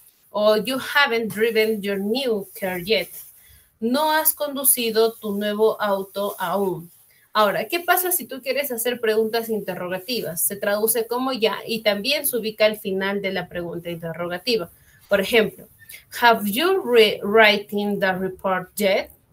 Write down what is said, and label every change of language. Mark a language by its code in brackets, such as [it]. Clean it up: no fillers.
[en] O you haven't driven your new car yet. [es] No has conducido tu nuevo auto aún. Ahora, ¿qué pasa si tú quieres hacer preguntas interrogativas? Se traduce como ya y también se ubica al final de la pregunta interrogativa. Por ejemplo, [en] have you written the report yet?